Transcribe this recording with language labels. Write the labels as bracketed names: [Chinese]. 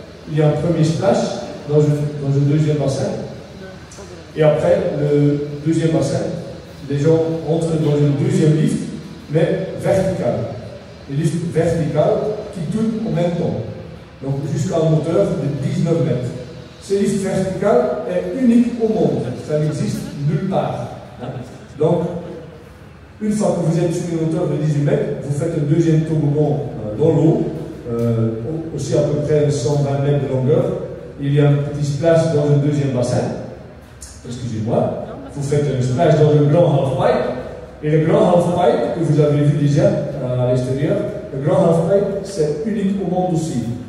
[French] Il y a un premier splash dans un deuxième bassin. Et après, le deuxième bassin, les gens entrent dans un deuxième lift, mais vertical. Un lift vertical qui tourne en même temps. Donc jusqu'à une hauteur de 19 mètres. [Dutch] Ze is verticaal en uniek omhoog. [French] Ça n'existe nulle part. Donc, une fois que vous êtes sur une hauteur de 18 mètres, vous faites un deuxième tourbillon dans l'eau, aussi à peu près 120 mètres de longueur. Il y a un petit splash dans un deuxième bassin. Excusez-moi. Vous faites un splash dans un grand half-pipe. Et le grand half-pipe que vous avez vu déjà à l'extérieur, le grand half-pipe, c'est unique au monde aussi.